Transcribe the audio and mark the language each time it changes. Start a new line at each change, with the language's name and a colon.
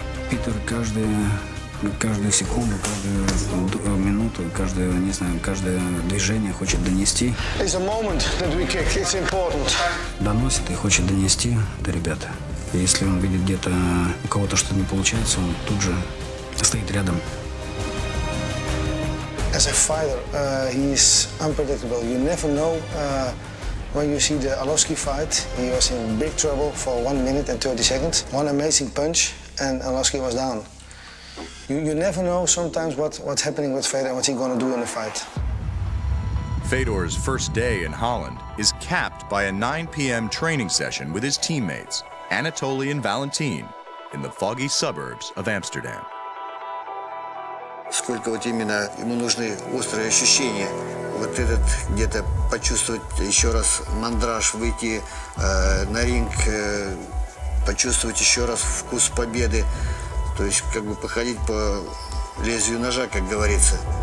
Russian: Питер каждую секунду, каждую минуту, каждое, не знаю, каждое движение хочет донести.
English: It's a moment that we kick. It's important.
Russian: Доносит и хочет донести до ребят. Если он видит где-то у кого-то что-то не получается, он тут же стоит рядом.
English: As a fighter, he is unpredictable. You never know when you see the Arlovski fight. He was in big trouble for 1 minute and 30 seconds. One amazing punch. And Arlovski was down. You never know sometimes what's happening with Fedor and what he's going to do in the fight. Fedor's first day in Holland is capped by a 9 p.m. training session with his teammates, Anatoly and Valentin, in the foggy suburbs of Amsterdam.
Russian: Сколько вот именно ему нужны острые ощущения, вот этот где-то почувствовать еще раз мандраж, выйти на ринг. Почувствовать еще раз вкус победы, то есть как бы походить по лезвию ножа, как говорится.